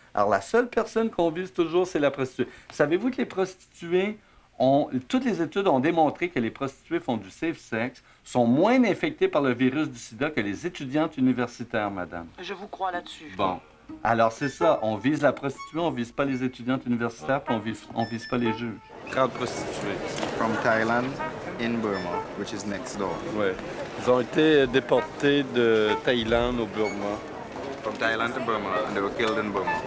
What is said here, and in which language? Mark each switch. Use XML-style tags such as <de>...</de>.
<fr>Alors, la seule personne qu'on vise toujours, c'est la prostituée. Savez-vous que les prostituées ont... Toutes les études ont démontré que les prostituées font du safe sex, sont moins infectées par le virus du sida que les étudiantes universitaires, madame. Je vous crois là-dessus. Bon. Alors, c'est ça. On vise la prostituée, on vise pas les étudiantes universitaires, puis on vise pas les juges. 30 prostituées.</fr> <en>From Thailand, in Burma, which is next door.</en> <fr>Oui. Ils ont été déportés de Thaïlande au Burma.</fr> <en>From Thailand to Burma, and they were killed in Burma.</en>